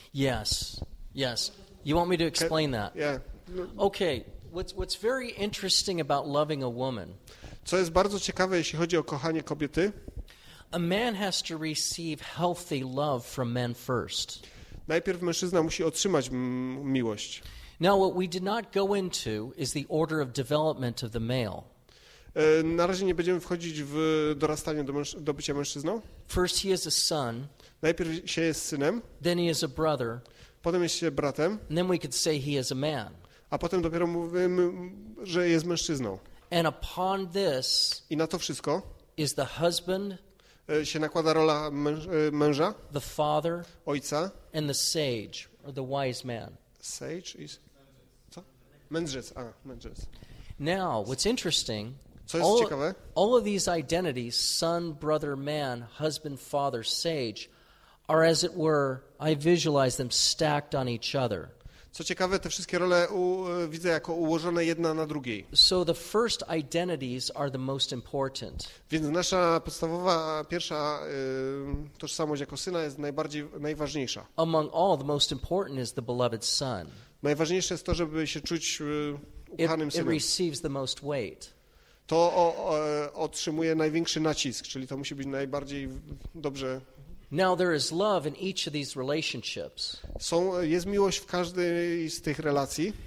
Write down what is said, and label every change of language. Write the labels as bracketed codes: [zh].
[en] Yes. You want me to explain that? Yeah. Okay. what's very interesting about loving a woman. [pl] Co jest bardzo ciekawe, jeśli chodzi o kochanie kobiety? [en] A man has to receive healthy love from men first. [pl] Najpierw mężczyzna musi otrzymać miłość. [en] Now what we did not go into is the order of development of the male. [pl] Na razie nie będziemy wchodzić w dorastanie do bycia mężczyzną. [en] First he is a son. [pl] Najpierw się jest synem. [en] Then he is a brother. [pl] Potem jest się bratem. [en] And then we could say he is a man. [pl] A potem dopiero mówimy, że jest mężczyzną. [en] And upon this [pl] i na to wszystko [en] is the husband, [pl] się nakłada rola męża, [en] the father, [pl] ojca, [en] and the sage, or the wise man. Sage is [pl] co? Mędrzec. A, mędrzec. [en] Now, what's interesting, [pl] co jest ciekawe? [en] All of these identities, son, brother, man, husband, father, sage, are as it were, I visualize them stacked on each other. [pl] Co ciekawe, te wszystkie role widzę jako ułożone jedna na drugiej. [en] So the first identities are the most important. [pl] Więc nasza podstawowa, pierwsza tożsamość jako syna jest najbardziej, najważniejsza. [en] Among all, the most important is the beloved son. [pl] Najważniejsze jest to, żeby się czuć ukochanym synem. [en] It receives the most weight. [pl] To otrzymuje największy nacisk, czyli to musi być najbardziej dobrze. [en] Now there is love in each of these relationships. [pl] Jest miłość w każdej z tych relacji.